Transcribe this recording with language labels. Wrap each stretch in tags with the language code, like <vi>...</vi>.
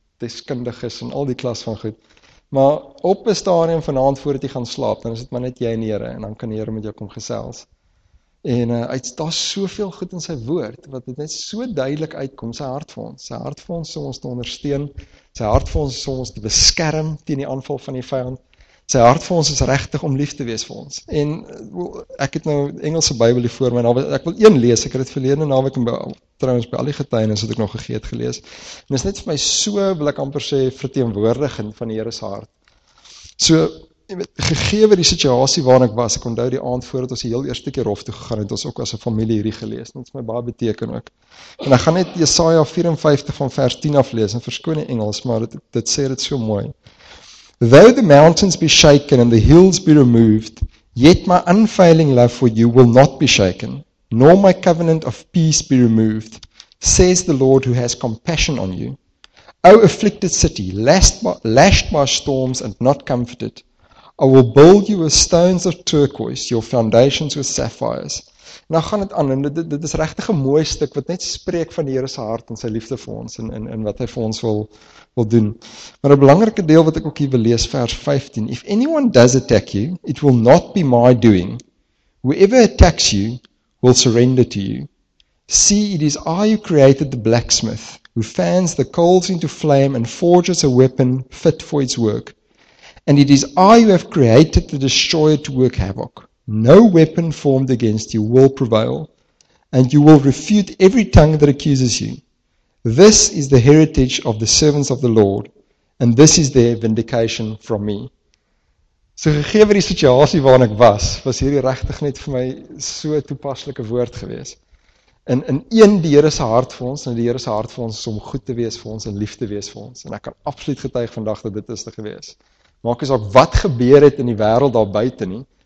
<af>deskundig is en al die klas van goed. Maar op 'n stadium vanaand voordat jy gaan slaap, dan is dit maar net jy en die Here en dan kan die Here met jou kom gesels. En daar's soveel goed in sy woord wat dit net so duidelik uitkom, sy hart vir ons. Sy hart vir ons om ons te ondersteun. Sy hart vir ons om ons te beskerm teen die aanval van die vyand. Sy hart vir ons is regtig om lief te wees vir ons. En ek het nou Engelse Bybel hier voor my. Ek wil een lees. Ek het dit verlede naweek trouwens by al die getuienis wat ek nog gegee het gelees. En dit is net vir my so, wil ek amper sê, verteenwoordigend van die Here se hart. So, gegee die situasie waarin ek was, ek onthou die aand voordat ons die heel eerste keer hof toe gegaan het, ons ook as 'n familie hierdie gelees. Dit is my baie beteken ook. En ek gaan net Jesaja 54 van vers 10 af lees, en verskoon die Engels, maar dit sê dit so mooi.</af> <en>Though the mountains be shaken and the hills be removed, yet my unfailing love for you will not be shaken, nor my covenant of peace be removed, says the Lord who has compassion on you. O afflicted city, lashed by storms and not comforted, I will build you with stones of turquoise, your foundations with sapphires.</en> <af>Nou gaan dit aan, en dit is regtig 'n mooi stuk wat net spreek van die Here se hart en sy liefde vir ons en wat hy vir ons wil doen. Maar 'n belangrike deel wat ek ook hier wil lees, vers 15.</af> <en>If anyone does attack you, it will not be my doing. Whoever attacks you will surrender to you. See, it is I who created the blacksmith, who fans the coals into flame and forges a weapon fit for its work. And it is I who have created the destroyer to work havoc. No weapon formed against you will prevail, and you will refute every tongue that accuses you. This is the heritage of the servants of the Lord, and this is their vindication from me.</en> <af>So gegee die situasie waarin ek was, was hierdie regtig net vir my so toepaslike woord gewees. In een die Here se hart vir ons, en die Here se hart vir ons is om goed te wees vir ons en lief te wees vir ons. En ek kan absoluut getuig vandag dat dit is te gewees. Maak nie saak wat gebeur het in die wêreld daar buite nie.</af>